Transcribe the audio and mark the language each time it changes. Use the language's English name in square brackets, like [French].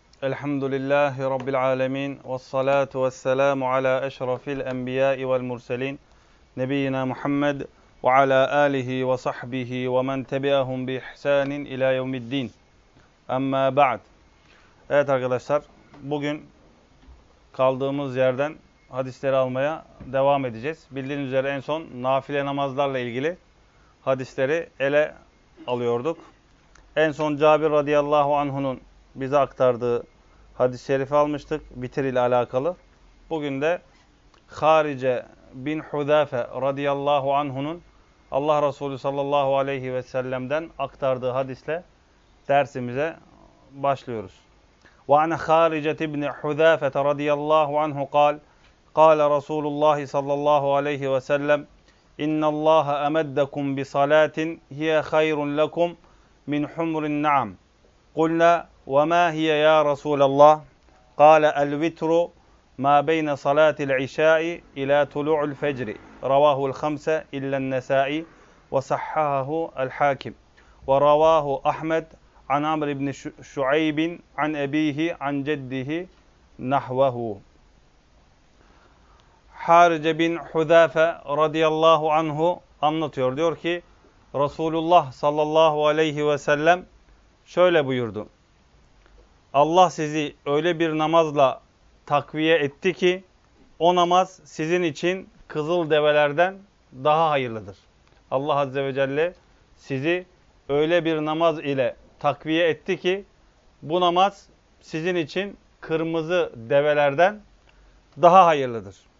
[Arabic] الحمد لله رب العالمين والصلاة والسلام على أشرف الأنبياء والمرسلين نبينا محمد وعلى آله وصحبه ومن تبعهم بإحسان إلى يوم الدين أما بعد. [Turkish] Evet arkadaşlar, bugün kaldığımız yerden hadisleri almaya devam edeceğiz. Bildiğiniz üzere en son nafile namazlarla ilgili hadisleri ele alıyorduk. En son Cabir radıyallahu anh'unun bize aktardığı hadis-i şerifi almıştık, bitir ile alakalı. Bugün de Harice bin Hudafe radıyallahu anhunun Allah Resulü sallallahu aleyhi ve sellem'den aktardığı hadisle dersimize başlıyoruz. [Arabic] Ve ana Harice bin Hudafe radıyallahu anhu قال قال رسول الله صلى الله عليه وسلم إن الله أمدكم بصلاة هي خير لكم من حمر النعم قلنا وما هي يا رسول الله قال الوتر ما بين صلاة العشاء إلى طلوع الفجر رواه الخمسة إلا النسائي وصححه الحاكم ورواه أحمد عن عمرو بن شعيب عن أبيه عن جده نحوه حارجة بن حذافة رضي الله عنه [Turkish] anlatıyor. Diyor ki Resulullah sallallahu aleyhi ve sellem şöyle buyurdu: Allah sizi öyle bir namazla takviye etti ki o namaz sizin için kızıl develerden daha hayırlıdır. Allah Azze ve Celle sizi öyle bir namaz ile takviye etti ki bu namaz sizin için kırmızı develerden daha hayırlıdır.